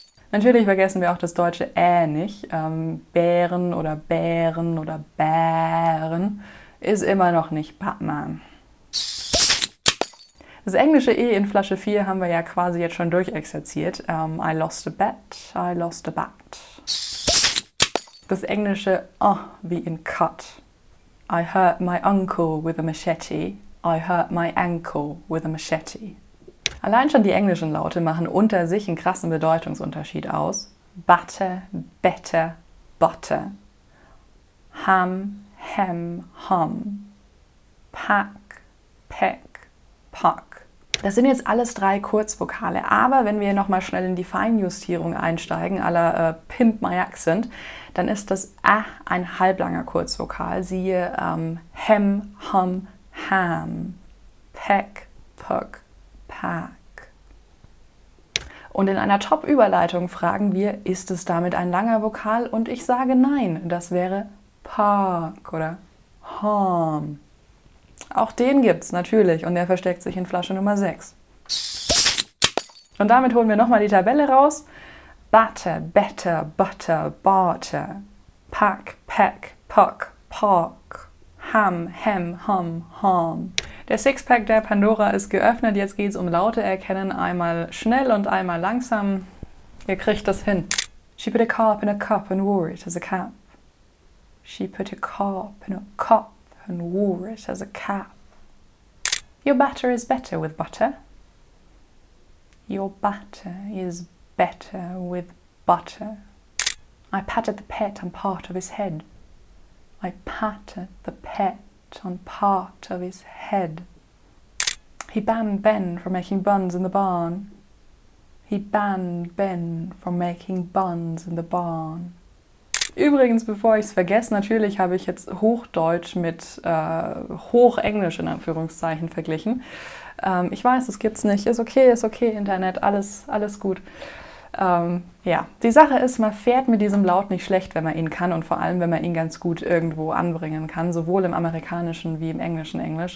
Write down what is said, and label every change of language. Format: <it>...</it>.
<de>Natürlich vergessen wir auch das deutsche Ä nicht. Bären oder Bären oder Bären ist immer noch nicht Batman. Das englische E in Flasche 4 haben wir ja quasi jetzt schon durchexerziert.</de> <en>I lost a bet, I lost a bat.</en> <de>Das englische O wie in cut.</de> <en>I hurt my uncle with a machete. I hurt my ankle with a machete.</en> <de>Allein schon die englischen Laute machen unter sich einen krassen Bedeutungsunterschied aus.</de> <en>Butter, better, butter. Ham, hem, hum. Pack, peck, pack.</en> <de>Das sind jetzt alles drei Kurzvokale, aber wenn wir nochmal schnell in die Feinjustierung einsteigen, à la Pimp My Accent, dann ist das A ein halblanger Kurzvokal. Siehe</de> <en>hem, hum, ham. Peck, puck, pack.</en> <de>Und in einer Top-Überleitung fragen wir, ist es damit ein langer Vokal? Und ich sage nein, das wäre Park oder Harm. Auch den gibt's natürlich und der versteckt sich in Flasche Nummer 6. Und damit holen wir nochmal die Tabelle raus.</de> <en>Butter, better, butter, barter. Pack, peck, puck, park. Ham, hem, hum, harm.</en> <de>Der Sixpack der Pandora ist geöffnet. Jetzt geht's um Laute erkennen. Einmal schnell und einmal langsam. Ihr kriegt das hin.</de> <en>She put a carp in a cup and wore it as a cap. She put a carp in a cup and wore it as a cap. Your batter is better with butter. Your batter is better with butter. I patted the pet on part of his head. I patted the pet on part of his head. He banned Ben from making buns in the barn. He banned Ben from making buns in the barn.</en> <de>Übrigens, bevor ich es vergesse, natürlich habe ich jetzt Hochdeutsch mit Hochenglisch in Anführungszeichen verglichen. Ich weiß, das gibt's nicht. Ist okay, Internet, alles gut. Die Sache ist, man fährt mit diesem Laut nicht schlecht, wenn man ihn kann und vor allem, wenn man ihn ganz gut irgendwo anbringen kann, sowohl im Amerikanischen wie im Englischen Englisch.</de>